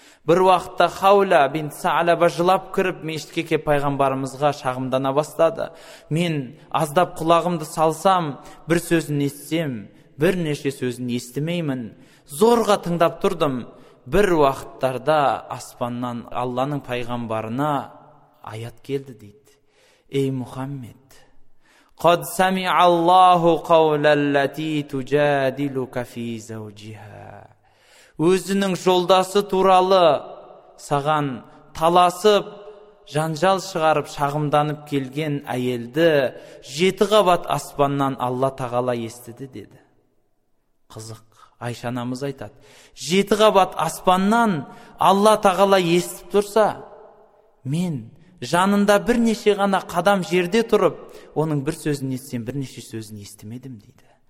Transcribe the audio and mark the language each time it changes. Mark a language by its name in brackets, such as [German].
[Kazakh] Бір уақытта Хауля бинт Саалаба жылап кіріп мешітке кеп пайғамбарымызға шағымдана бастады. Мен аздап құлағымды салсам, бір сөзін естісем, бір неше сөзін естімеймін. Зорға тыңдап тұрдым. Бір уақыттарда аспаннан Алланың пайғамбарына аят келді дейді. Ей Мухаммед, [Arabic] قد سمع الله قول التي تجادلك في زوجها. [Kazakh] Өзінің жолдасы туралы саған таласып, жанжал шығарып, шағымданып келген әйелді 7 қабат аспаннан Алла Тағала естіді деді. Қызық. Айша анамыз айтады, 7 қабат аспаннан Алла Тағала естіп тұрса, мен жанында бір неше ғана қадам жерде тұрып, оның бір сөзін естісем, бір неше сөзін естімедім дейді.